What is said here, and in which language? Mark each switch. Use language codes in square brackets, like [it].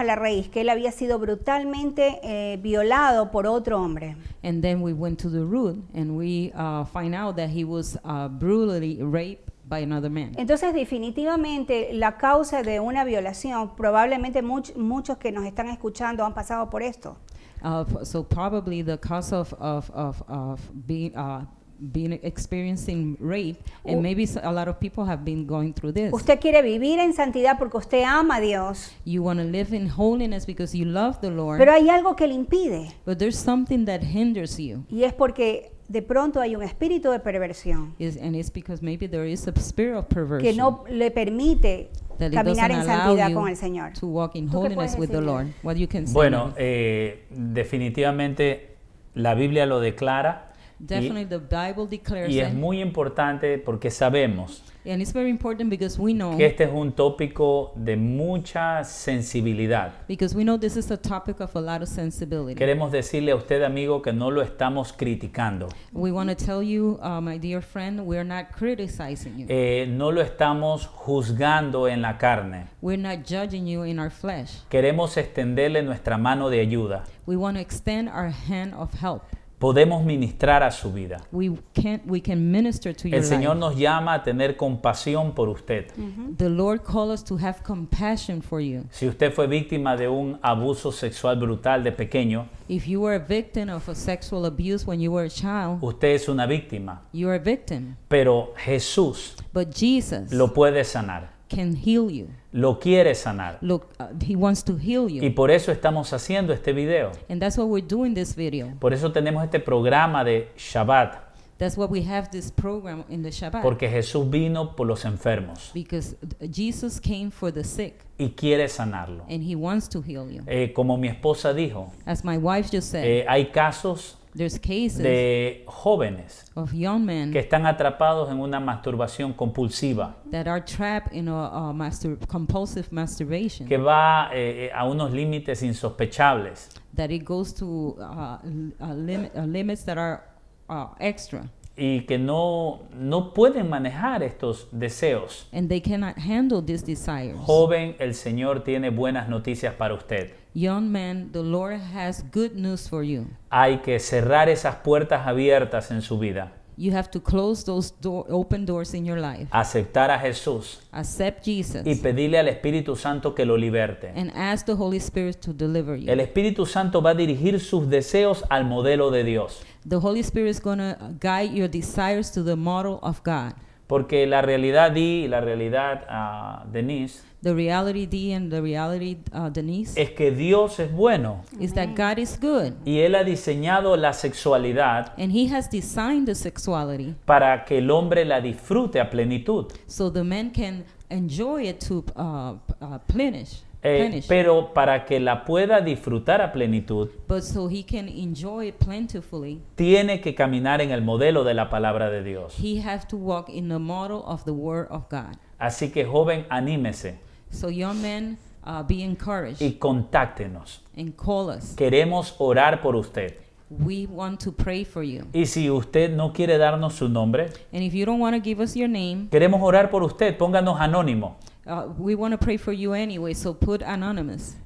[es] A la raíz que él había sido brutalmente violado por otro hombre. [en] And then we went to the root and we find out that he was brutally raped by another man. [es] Entonces definitivamente la causa de una violación, probablemente muchos que nos están escuchando han pasado por esto. [en] So probably the cause of being experiencing rape, and maybe a lot of people have been going through this. [es] Usted quiere vivir en santidad porque usted ama a Dios. [en] You want to live in holiness because you love the Lord. [es] Pero hay algo que le impide. [en] But there's something that hinders you. [es] Y es porque de pronto hay un espíritu de perversión. [en] And it's because maybe there is a spirit of perversion. [es] Que no le permite caminar en santidad con el Señor. [en] To walk in holiness with the Lord. What you can say. [es] Bueno, definitivamente la Biblia lo declara. [en] Definitely the Bible declares [es] y es [en] that, [es] muy importante porque sabemos [en] and it's very important because we know [es] que este es un tópico de mucha sensibilidad. [en] Because we know this is a topic of a lot of sensibility. [es] Queremos decirle a usted, amigo, que no lo estamos criticando. [en] We want to tell you, my dear friend, we are not criticizing you. [es] No lo estamos juzgando en la carne. [en] We're not judging you in our flesh. [es] Queremos extenderle nuestra mano de ayuda. [en] We want to extend our hand of help. [es] podemos ministrar a su vida. [en] We can minister to your [es] El Señor [en] life. [es] Nos llama a tener compasión por usted. Mm-hmm. [en] The Lord calls us to have compassion for you. [es] Si usted fue víctima de un abuso sexual brutal de pequeño, [en] if you were a victim of a sexual abuse when you were a child, [es] usted es una víctima. [en] You are a victim. [es] Pero Jesús, [en] but Jesus, [es] lo puede sanar. [en] Can heal you. [es] Lo quiere sanar. [en] He wants to heal you. [es] Y por eso estamos haciendo este video. [en] And that's what we're doing this video. [es] Por eso tenemos este programa de Shabbat. [en] That's what we have this program in the Shabbat. [es] Porque Jesús vino por los enfermos. [en] Because Jesus came for the sick. [es] Y quiere sanarlo. [en] And he wants to heal you. [es] Como mi esposa dijo. [en] As my wife just said. [es] Hay casos. [en] There's cases [es] de jóvenes [en] of young men [es] que están atrapados en una masturbación compulsiva [en] that are trapped in compulsive masturbation [es] que va a unos límites insospechables [en] that it goes to limits that are extra [es] y que no pueden manejar estos deseos. [en] And they cannot handle these desires. [es] Joven, el Señor tiene buenas noticias para usted. [en] Young man, the Lord has good news for you. [es] Hay que cerrar esas puertas abiertas en su vida. [en] You have to close those open doors in your life. [es] Aceptar a Jesús. [en] Accept Jesus. [es] Y pedirle al Espíritu Santo que lo liberte. [en] And ask the Holy Spirit to deliver you. [es] El Espíritu Santo va a dirigir sus deseos al modelo de Dios. [en] The Holy Spirit is going to guide your desires to the model of God. [es] Porque la realidad di y la realidad Denise. [en] The reality di and the reality Denise. [es] Es que Dios es bueno. [en] Amen. Is that God is good. [es] Y él ha diseñado la sexualidad. [en] And he has designed the sexuality. [es] Para que el hombre la disfrute a plenitud. [en] So the man can enjoy it to plenish. [es] Pero para que la pueda disfrutar a plenitud, [en] but so he can enjoy it plentifully, [es] tiene que caminar en el modelo de la palabra de Dios. [en] He has to walk in the model of the word of God. [es] Así que joven, anímese. [en] So young men, be encouraged. [es] Y contáctenos. [en] And call us. [es] Queremos orar por usted. [en] We want to pray for you. [es] Y si usted no quiere darnos su nombre, [en] and if you don't want to give us your name, [es] queremos orar por usted. Pónganos anónimo. [en] We want to pray for you anyway, so put anonymous.